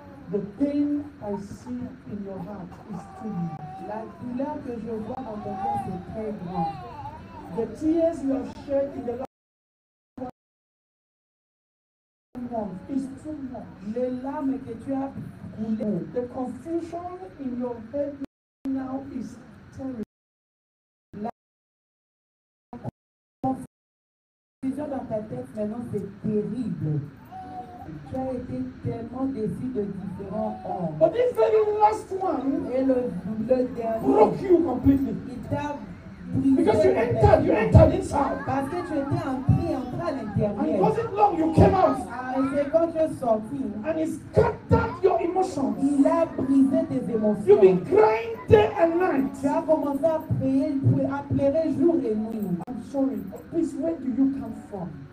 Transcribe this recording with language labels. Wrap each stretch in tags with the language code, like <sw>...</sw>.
<en>The pain I see in your heart is too big.</en> <fr>La douleur que je vois dans ton cœur est très grande.</fr> <en>The tears you have shed in the last month is too much.</en> <fr>Les larmes que tu as coulées.</fr> <en>The confusion in your head now is terrible.</en> <fr>La confusion dans ta tête maintenant c'est terrible. Tu as été tellement déçu de différents hommes.</fr> <en>But this very last one,</en> <fr>et le dernier,</fr> <en>broke you completely.</en> <fr>Il t'a</fr> <en>because you entered inside.</en> <fr>Parce que tu étais entré, entré à l'intérieur.</fr> <en>And it wasn't long, you came out.</en> <fr>Et c'est quand tu es sorti.</fr> <en>And it scattered your emotions.</en> <fr>Il a brisé tes émotions.</fr> <en>You've been crying day and night.</en> <fr>Tu as commencé à pleurer jour et nuit.</fr> <en>I'm sorry, but please, where do you come from?</en>